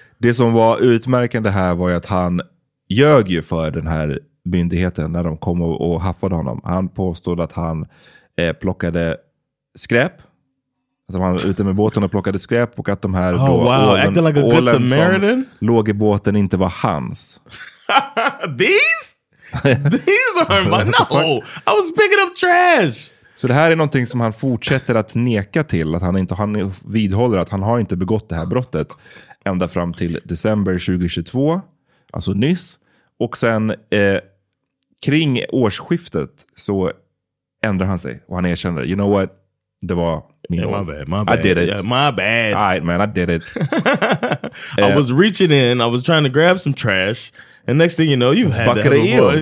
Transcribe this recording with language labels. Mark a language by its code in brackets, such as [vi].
[sv] Det som var utmärkande här var ju att han ljög ju för den här myndigheten när de kom och haffade honom. Han påstod att han plockade skräp. Att han var ute med båten och plockade skräp och att de här ålen som låg i båten inte var hans. [en] These are my... No, I was picking up trash. [sv] Så det här är någonting som han fortsätter att neka till, att han vidhåller att han har inte begått det här brottet ända fram till december 2022, alltså nyss. Och sen kring årsskiftet så ändrar han sig och han erkänner, [en] you know what, [sv] det var min ål. [en] My bad. I did it. My bad. All right, man, I did it. I was reaching in, I was trying to grab some trash. And next thing you know, you've had bucket of eel.